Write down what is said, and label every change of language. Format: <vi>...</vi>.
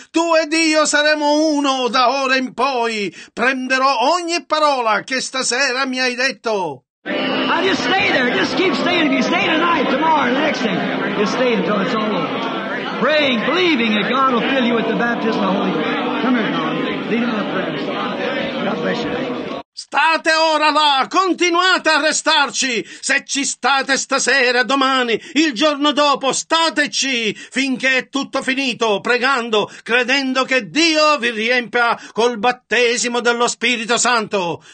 <it>Tu ed io saremo uno da ora in poi. Prenderò ogni parola che stasera mi hai detto.</it> <en>I just stay there. Just keep staying. If you stay tonight, tomorrow, the next day, just stay until it's all over. Praying, believing that God will fill you with the baptism of the Holy Ghost. Come here, Tom. Lead him in the prayer. God bless you.</en> <it>State ora là, continuate a restarci, se ci state stasera, domani, il giorno dopo, stateci finché è tutto finito, pregando, credendo che Dio vi riempia col battesimo dello Spirito Santo.</it>